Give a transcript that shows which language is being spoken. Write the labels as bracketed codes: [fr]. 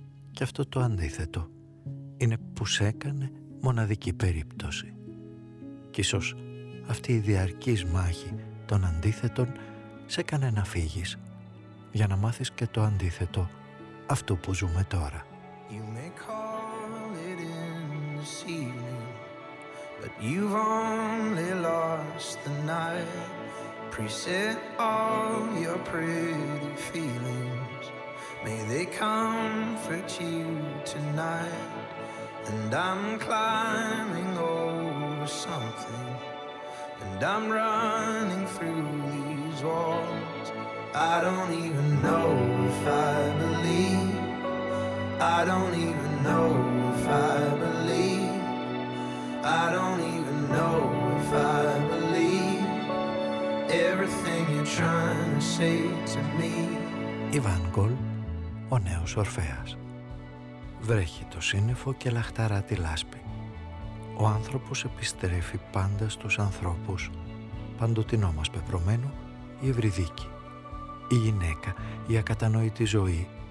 [el] Και αυτό το αντίθετο είναι που σε έκανε μοναδική περίπτωση. Κι ίσως αυτή η διαρκής μάχη των αντίθετων σε έκανε να φύγεις για να μάθεις και το αντίθετο αυτού που ζούμε τώρα. [en] You may call it insane, but you've only lost the night. Preset all your pretty feelings, may they comfort you tonight. And I'm climbing over something, and I'm running through these walls. I don't even know if I believe. I don't even know if I believe. I don't even know if I believe everything you're trying to say to me. [el] Ivan Gol, ο νέος Ορφέας. Βρέχει το σύννεφο και λαχταρά τη λάσπη. Ο άνθρωπος επιστρέφει πάντα στους ανθρώπους. Παντοτινό μας πεπρωμένο, η Ευρυδίκη. Η γυναίκα, η ακατανόητη ζωή.